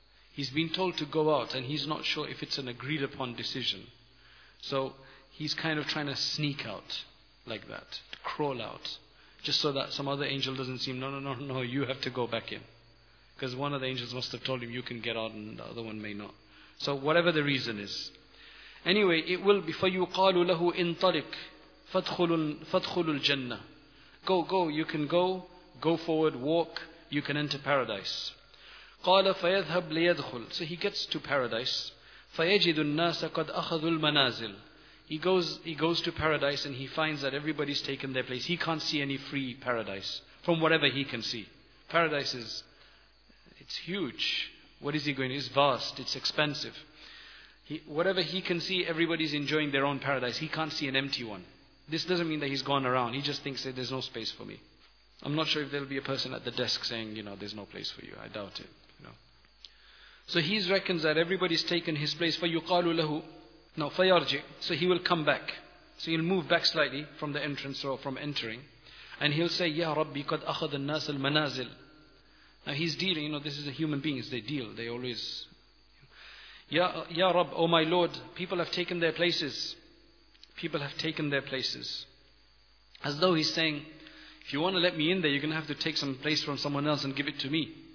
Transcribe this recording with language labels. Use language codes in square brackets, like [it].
[en] He's been told to go out and he's not sure if it's an agreed upon decision. So he's kind of trying to sneak out like that, to crawl out, just so that some other angel doesn't seem, no, you have to go back in. Because one of the angels must have told him you can get out and the other one may not. So whatever the reason is. Anyway, it will be, [ar] فَيُقَالُ لَهُ إِنْطَلِقْ فَدْخُلُ الْجَنَّةِ. [en] Go, you can go forward, walk, you can enter paradise. [ar] قَالَ فَيَذْهَبْ لَيَدْخُلْ. [en] So he gets to paradise. [ar] فَيَجِدُ النَّاسَ قَدْ أَخَذُ الْمَنَازِلْ. [en] He goes to paradise and he finds that everybody's taken their place. He can't see any free paradise from whatever he can see. Paradise is, it's huge. What is he going to do? It's vast, it's expansive. Whatever he can see, everybody's enjoying their own paradise. He can't see an empty one. This doesn't mean that he's gone around. He just thinks that there's no space for me. I'm not sure if there'll be a person at the desk saying, you know, there's no place for you. I doubt it. You know. So he reckons that everybody's taken his place. [ar] فَيُقَالُ لَهُ. [en] No, [ar] فَيَرْجِ. [en] So he will come back. So he'll move back slightly from the entrance or from entering. And he'll say, [ar] يَا رَبِّي قَدْ أَخَذَ النَّاسَ الْمَنَازِلِ. [en] Now he's dealing, you know, this is a human being, they deal, they always... Ya Rab, O my Lord, people have taken their places. People have taken their places. As though he's saying, if you want to let me in there, you're going to have to take some place from someone else and give it to me.